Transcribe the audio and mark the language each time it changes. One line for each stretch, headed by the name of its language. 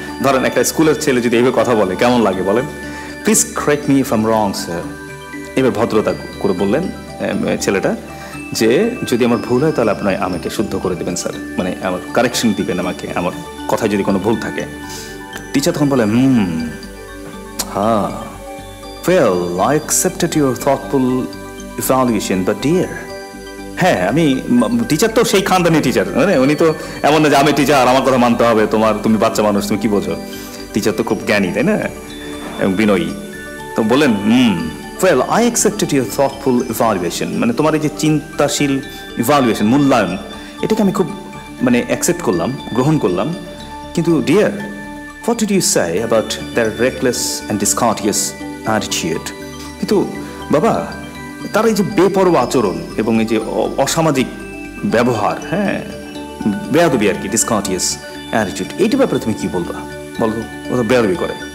Bangla: ধরেন একটা স্কুলের ছেলে যদি এইভাবে কথা বলে কেমন লাগে বলেন,
English: please correct me if I am wrong sir,
Bangla: এবার ভদ্রতা করে বললেন ছেলেটা, যে যদি আমার ভুল হয় তাহলে আপনার আমাকে শুদ্ধ করে দেবেন স্যার, মানে আমার কারেকশন দিবেন আমাকে, আমার কথায় যদি কোনো ভুল থাকে। টিচার তখন বলে,
English: Well, I accepted your thoughtful evaluation, but dear,
Bangla: হ্যাঁ আমি টিচার তো সেই খানদানি টিচার, মানে উনি তো এমন না যে আমি টিচার আর আমার কথা মানতে হবে, তোমার তুমি বাচ্চা মানুষ তুমি কি বোঝো, টিচার তো খুব জ্ঞানী তাই না এবং বিনয়ী। তো বলেন
English: well I accepted your thoughtful evaluation,
Bangla: মানে তোমার এই যে চিন্তাশীল ইভ্যালুয়েশন মূল্যায়ন এটাকে আমি খুব মানে অ্যাকসেপ্ট করলাম গ্রহণ করলাম, কিন্তু
English: dear what did you say about their reckless and discourteous attitude,
Bangla: কিন্তু বাবা তার এই যে বেপরোয়া আচরণ এবং এই যে অসামাজিক ব্যবহার, হ্যাঁ বেয়াদবি আর কি ডিসকার্টিয়াস অ্যাটিটিউড, এইটার ব্যাপারে তুমি কি বলবা বলো, ও তো বেয়াদবি করে।